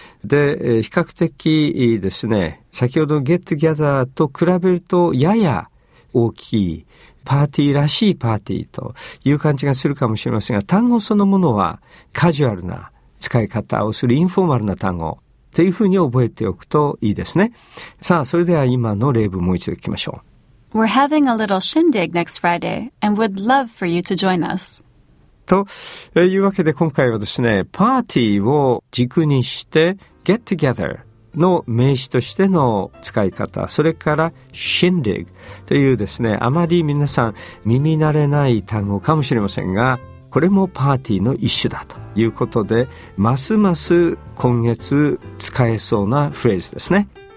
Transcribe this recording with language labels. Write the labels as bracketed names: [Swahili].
[Japanese] で、比較的ですね、先ほど get together と比べるとやや大きいパーティーらしいパーティーという感じがするかもしれませんが、単語そのものはカジュアルな使い方をするインフォーマルな単語というふうに覚えておくといいですね。さあ、それでは今の例文もう一度聞きましょう。 [English] We're having a little shindig next Friday and would love for you to join us. [Japanese] というわけで今回はですね、パーティーを軸にして get together の名詞としての使い方、それから shindig というですね、あまり皆さん耳慣れない単語かもしれませんが、これもパーティーの一種だということで、ますます今月使えそうなフレーズですね。